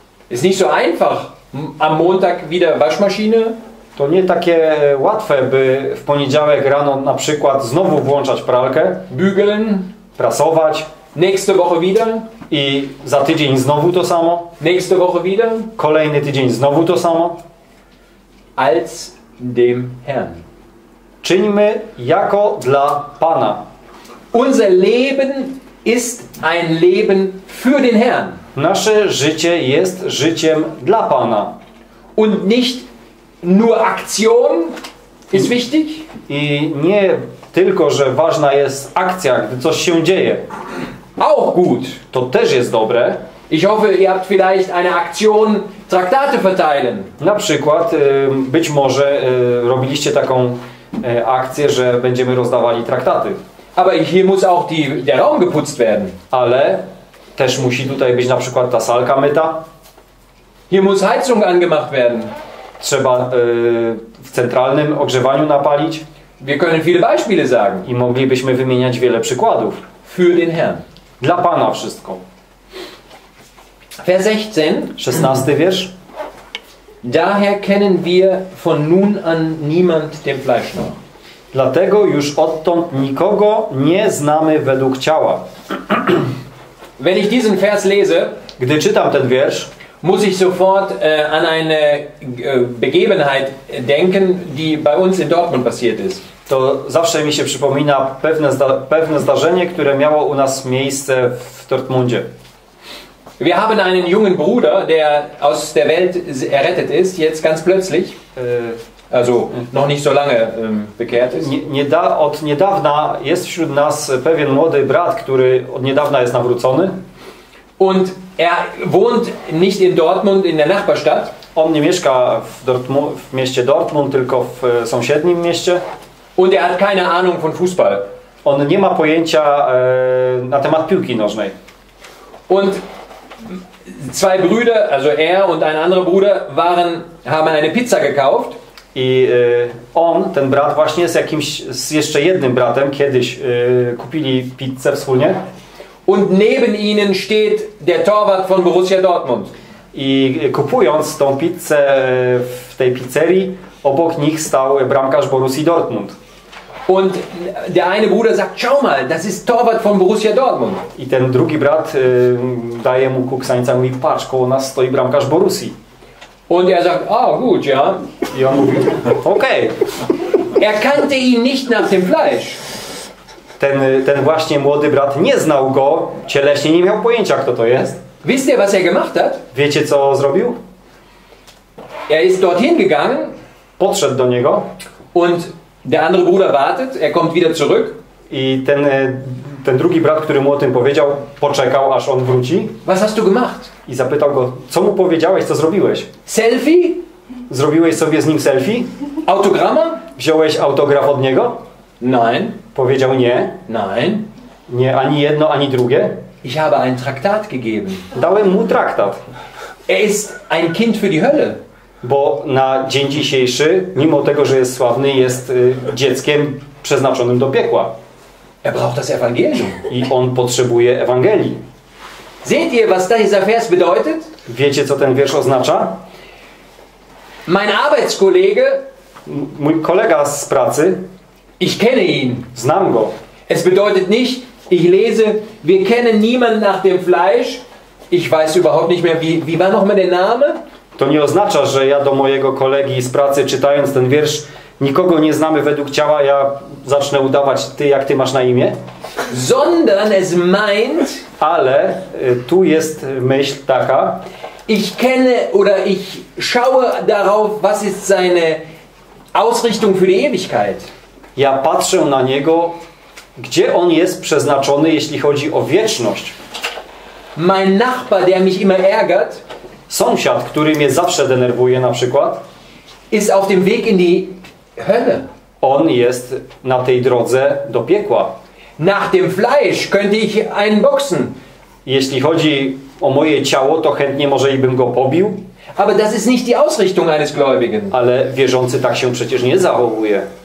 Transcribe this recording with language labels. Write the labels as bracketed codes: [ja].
[de] ist nicht so einfach am Montag wieder Waschmaschine. [pl] To nie takie łatwe, by w poniedziałek rano na przykład znowu włączać pralkę, [de] bügeln, [pl] prasować, [de] nächste Woche wieder, [pl] i za tydzień znowu to samo, [de] nächste Woche wieder, [pl] kolejny tydzień znowu to samo. [de] Als dem Herrn. [pl] Czyńmy jako dla Pana. [de] Unser Leben ist ein Leben für den Herrn. [pl] Nasze życie jest życiem dla Pana. [de] Und nicht nur Aktion ist wichtig. [pl] I nie tylko, że ważna jest akcja, gdy coś się dzieje. [de] Auch gut. [pl] To też jest dobre. [de] Ich hoffe, ihr habt vielleicht eine Aktion Traktate verteilen. [pl] Na przykład, być może robiliście taką akcję, że będziemy rozdawali traktaty. [de] Aber hier muss auch der Raum geputzt werden. [pl] Ale też musi tutaj być na przykład ta salka myta. [de] Hier muss Heizung angemacht werden. [pl] Trzeba w centralnym ogrzewaniu napalić. [de] Wir können viele Beispiele sagen. [pl] I moglibyśmy wymieniać wiele przykładów. [de] Für den Herrn. [pl] Dla Pana wszystko. [de] Vers 16. [pl] 16. wiersz. [de] Daher kennen wir von nun an niemand dem Fleisch noch. [pl] Dlatego już odtąd nikogo nie znamy według ciała. [de] Wenn ich diesen Vers lese, [pl] gdy czytam ten wiersz, [de] muss ich sofort an eine Begebenheit denken, die bei uns in Dortmund passiert ist. [pl] To zawsze mi się przypomina pewne zdarzenie, które miało u nas miejsce w Dortmundzie. [de] Wir haben einen jungen Bruder, der aus der Welt errettet ist, jetzt ganz plötzlich, also noch nicht so lange bekehrt ist. [pl] Od niedawna jest wśród nas pewien młody brat, który od niedawna jest nawrócony. [de] Und er wohnt nicht in Dortmund, in der Nachbarstadt. [pl] On nie mieszka w mieście Dortmund, tylko w sąsiednim mieście. [de] Und er hat keine Ahnung von Fußball. [pl] On nie ma pojęcia na temat piłki nożnej. [de] Und zwei Brüder, also er und ein anderer Bruder, haben eine Pizza gekauft. [pl] I on, ten brat właśnie z jeszcze jednym bratem kiedyś kupili pizzę wspólnie. [de] Und neben ihnen steht der Torwart von Borussia Dortmund. [pl] I kupując tą pizzę w tej pizzerii, obok nich stał bramkarz Borussii Dortmund. [de] Und der eine Bruder sagt: "Schau mal, das ist Torwart von Borussia Dortmund." [pl] I ten drugi brat daje mu kuksańca, mówi: "Patrz, koło nas stoi bramkarz Borussii." [de] Und er sagt: "Ah, gut, ja." [pl] I on mówi: "Okej." [de] Er kannte ihn nicht nach dem Fleisch. [pl] Ten właśnie młody brat nie znał go cieleśnie, nie miał pojęcia, kto to jest. [de] Wisst ihr, was er gemacht hat? [pl] Wiecie, co zrobił? [de] Er ist dorthin gegangen. [pl] Podszedł do niego. [de] Und der andere Bruder wartet, er kommt wieder zurück. [pl] I ten drugi brat, który mu o tym powiedział, poczekał, aż on wróci. [de] Was hast du gemacht? [pl] I zapytał go: "Co mu powiedziałeś, co zrobiłeś?" [de] Selfie? [pl] Zrobiłeś sobie z nim selfie? [de] Autogramma? [pl] Wziąłeś autograf od niego? [de] Nein. [pl] Powiedział: "Nie." [de] Nein. [pl] Nie, ani jedno, ani drugie. [de] Ich habe ein Traktat gegeben. [pl] Dałem mu traktat. [de] Er ist ein Kind für die Hölle. [pl] Bo na dzień dzisiejszy, mimo tego, że jest sławny, jest dzieckiem przeznaczonym do piekła. [de] Er braucht das Evangelium. [pl] I on potrzebuje Ewangelii. [de] Seht ihr, was dieser Vers bedeutet? [pl] Wiecie, co ten wiersz oznacza? [de] Mein Arbeitskollege. [pl] Mój kolega z pracy. [de] Ich kenne ihn. [pl] Znam go. [de] Es bedeutet nicht, ich lese, wir kennen niemanden nach dem Fleisch. Ich weiß überhaupt nicht mehr, wie war noch mal der Name? [pl] To nie oznacza, że ja do mojego kolegi z pracy, czytając ten wiersz, nikogo nie znamy według ciała, ja zacznę udawać: "Ty, jak ty masz na imię?" [de] Sondern es meint, [pl] ale tu jest myśl taka: [de] ich kenne oder ich schaue darauf, was ist seine Ausrichtung für die Ewigkeit. [pl] Ja patrzę na niego, gdzie on jest przeznaczony, jeśli chodzi o wieczność. [de] Mein Nachbar, der mich immer ärgert. [pl] Sąsiad, który mnie zawsze denerwuje, na przykład, [de] ist auf dem Weg in die Hölle. [pl] On jest na tej drodze do piekła. [de] Nach dem Fleisch könnte ich einen boxen. [pl] Jeśli chodzi o moje ciało, to chętnie może i bym go pobił. [de] Aber das ist nicht die Ausrichtung eines Gläubigen. [pl] Ale wierzący tak się przecież nie zachowuje.